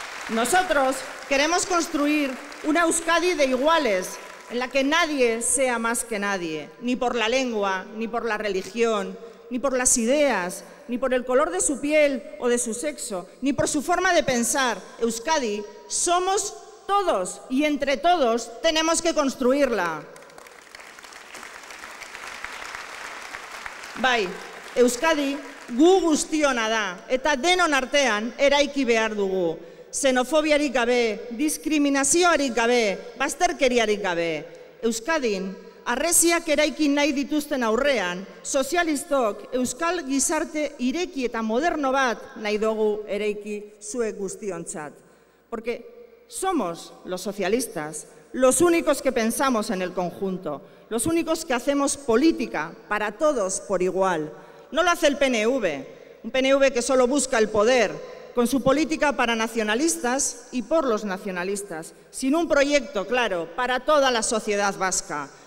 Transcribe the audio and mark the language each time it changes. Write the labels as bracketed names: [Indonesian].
[Spanish] Nosotros queremos construir una Euskadi de iguales, en la que nadie sea más que nadie, ni por la lengua, ni por la religión, ni por las ideas, ni por el color de su piel o de su sexo, ni por su forma de pensar. Euskadi somos todos y entre todos tenemos que construirla. [Basque] Bai, Euskadi gu guztiona da, eta denon artean eraiki behar dugu. Xenofobiarik gabe, diskriminazioarik gabe, bazterkeriarik gabe. Euskadin harresiak eraiki nahi dituzten aurrean, sozialistok euskal gizarte ireki eta moderno bat nahi dugu eraiki zuek guztiontzat. [Spanish] Porque somos los socialistas, los únicos que pensamos en el conjunto, los únicos que hacemos política para todos por igual. No lo hace el PNV, un PNV que solo busca el poder, con su política para nacionalistas y por los nacionalistas, sin un proyecto, claro, para toda la sociedad vasca.